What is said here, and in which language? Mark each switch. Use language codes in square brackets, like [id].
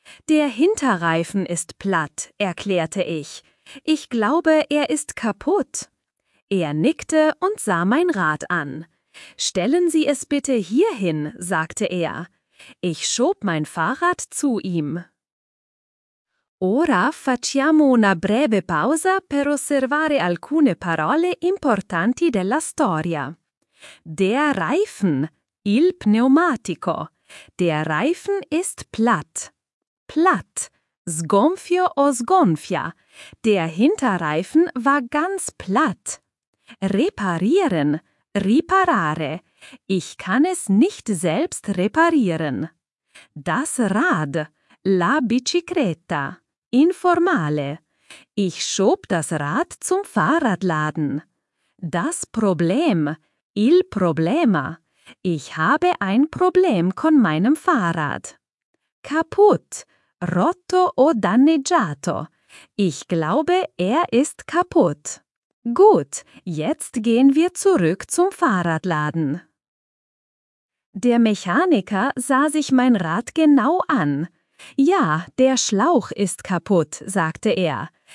[de] "Der Hinterreifen ist platt", erklärte ich. "Ich glaube, er ist kaputt." Er nickte und sah mein Rad an. "Stellen Sie es bitte hierhin", sagte er. Ich schob mein Fahrrad zu ihm. [it] Ora facciamo una breve pausa per osservare alcune parole importanti della storia. [de] Der Reifen, [it] il pneumatico. [de] Der Reifen ist platt. Platt, [it] sgonfio o sgonfia. [de] Der Hinterreifen war ganz platt. Reparieren, [it] riparare. [de] Ich kann es nicht selbst reparieren. Das Rad, [it] la bicicletta. Informale. [de] Ich schob das Rad zum Fahrradladen. Das Problem, [it] il problema. [de] Ich habe ein Problem con meinem Fahrrad. [it] Kaputt, rotto o danneggiato. [de] Ich glaube, er ist kaputt. Gut, jetzt gehen wir zurück zum Fahrradladen. Der Mechaniker sah sich mein Rad genau an. "Ja, der Schlauch ist kaputt", sagte er.